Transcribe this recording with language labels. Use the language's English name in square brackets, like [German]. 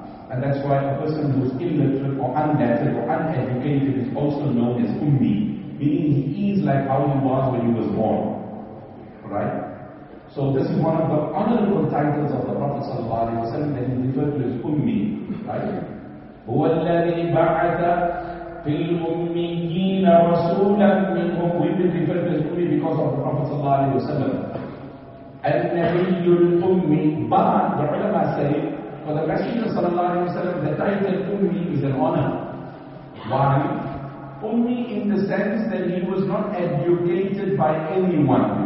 [English] And that's why a person who's illiterate or unlettered or uneducated is also known as ummi, meaning he is like how he was when he was born. right? So this is one of the honorable titles of the Prophet sallallahu alaihi wasallam that he referred to as Ummi, right? [Arabic] هو الذي بعث في الأميين رسولا منهم. [English] We refer to as Ummi because of the Prophet sallallahu alaihi wasallam. [Arabic] النبي الأمي. [English] But the ulama say, for the Messenger sallallahu alaihi wasallam, the title Ummi is an honor. Why? Ummi in the sense that he was not educated by anyone.